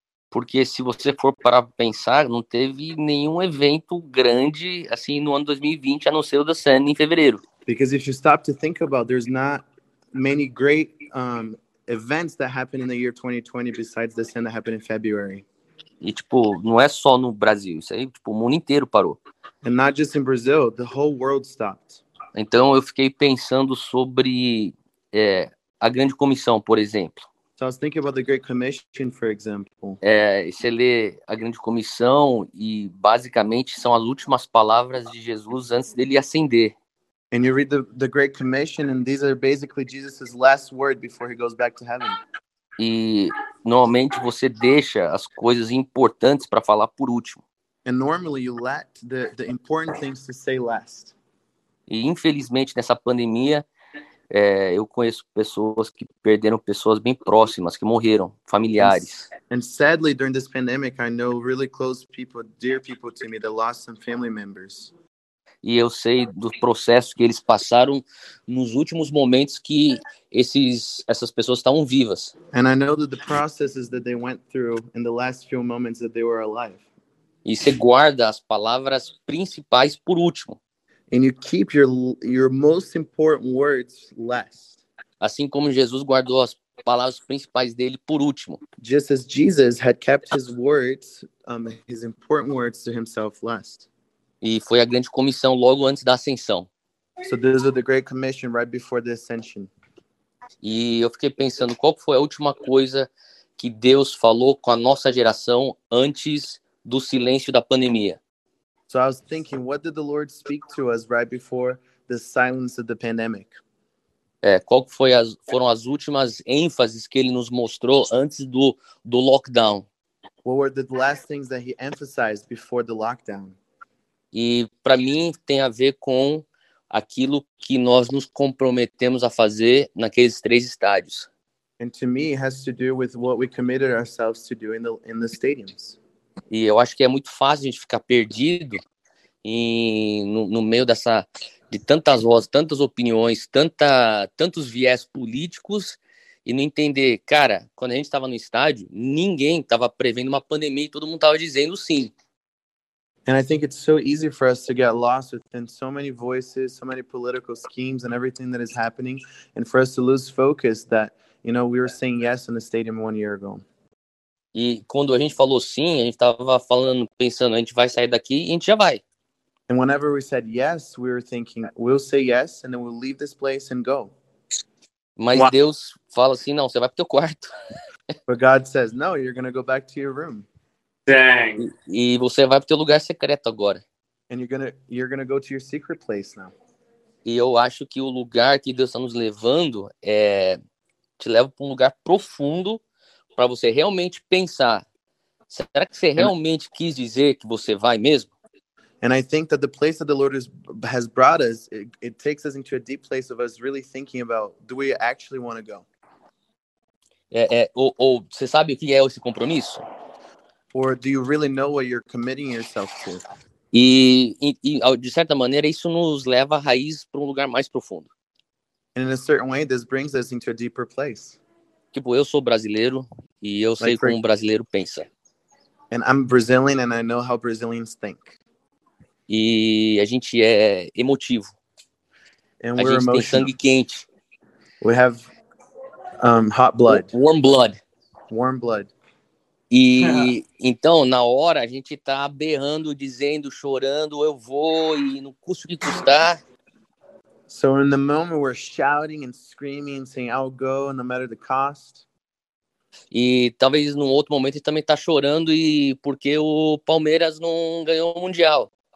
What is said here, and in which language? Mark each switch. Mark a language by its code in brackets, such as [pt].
[pt] Porque se você for parar para pensar, não teve nenhum evento grande assim no ano 2020, a não ser o The Sun em fevereiro. [en] Because if you stop to think about, there's not many great events that happened in the year 2020 besides the sin that happened in February. [pt] E tipo, não é só no Brasil, isso aí, tipo, o mundo inteiro parou. [en] And not just in Brazil, the whole world stopped. [pt] Então eu fiquei pensando sobre a Grande Comissão, por exemplo. [en] So I was thinking about the Great Commission, for example. [pt] Você lê a Grande Comissão e basicamente são as últimas palavras de Jesus antes dele ascender. [en] And you read the Great Commission and these are basically Jesus' last word before he goes back to heaven. [pt] E normalmente você deixa as coisas importantes para falar por último. [en] And normally you let the important things to say last. [pt] E infelizmente nessa pandemia, eu conheço pessoas que perderam pessoas bem próximas, que morreram, familiares. [en] And sadly, during this pandemic, I know really close people, dear people to me, that lost some family members. [pt] E eu sei do processo que eles passaram nos últimos momentos que essas pessoas estavam vivas. [en] And I know that the processes that they went through in the last few moments that they were alive. [pt] E você guarda as palavras principais por último. [en] And you keep your most important words last. [pt] Assim como Jesus guardou as palavras principais dele por último. [en] Just as Jesus had kept his words, his important words to himself last. [pt] E foi a Grande Comissão logo antes da ascensão. [en] So this was the Great Commission right before the ascension. [pt] E eu fiquei pensando, qual foi a última coisa que Deus falou com a nossa geração antes do silêncio da pandemia? [en] So I was thinking, what did the Lord speak to us right before the silence of the pandemic? [pt] Qual foram as últimas ênfases que ele nos mostrou antes do lockdown? [en] What were the last things that he emphasized before the lockdown? [pt] E para mim tem a ver com aquilo que nós nos comprometemos a fazer naqueles 3 estádios. [en] And to me it has to do with what we committed ourselves to do in the stadiums. [pt] E eu acho que é muito fácil a gente ficar perdido em, no meio dessa, de tantas vozes, tantas opiniões, tantos viés políticos, e não entender, cara, quando a gente estava no estádio, ninguém estava prevendo uma pandemia e todo mundo estava dizendo sim. [en] And I think it's so easy for us to get lost within so many voices, so many political schemes and everything that is happening, and for us to lose focus that, you know, we were saying yes in the stadium one year ago. [pt] E quando a gente falou sim, a gente estava falando, pensando, a gente vai sair daqui e a gente já vai. [en] And whenever we said yes, we were thinking, we'll say yes and then we'll leave this place and go. [pt] Mas wow. Deus fala assim, não, você vai pro teu quarto. [en] But God says, no, you're going to go back to your room. Dang. [pt] E você vai pro teu lugar secreto agora. [en] And you're gonna go to your secret place now. [pt] E eu acho que o lugar que Deus está nos levando é te leva para um lugar profundo para você realmente pensar. Será que você realmente quis dizer que você vai mesmo? [en] And I think that the place that the Lord has brought us, it takes us into a deep place of us really thinking about, do we actually want to go? [pt] Ou você sabe o que é esse compromisso? [en] Or do you really know what you're committing yourself to? [pt] E de certa maneira, isso nos leva a raiz para um lugar mais profundo. [en] And in a certain way, this brings us into a deeper place. [pt] Tipo, eu sou brasileiro e eu sei como um brasileiro pensa. [en] And I'm Brazilian and I know how Brazilians think. [pt] E a gente é emotivo. [en] And we're emotional. [pt] A gente tem sangue quente. [en] We have hot blood. Warm blood. Warm blood. [pt] E então, na hora, a gente tá berrando, dizendo, chorando, eu vou, e no custo que custar. [en] So in the moment we're shouting and screaming and saying I'll go no matter the cost. [pt] E talvez num outro momento ele também tá chorando e porque o Palmeiras não ganhou o Mundial.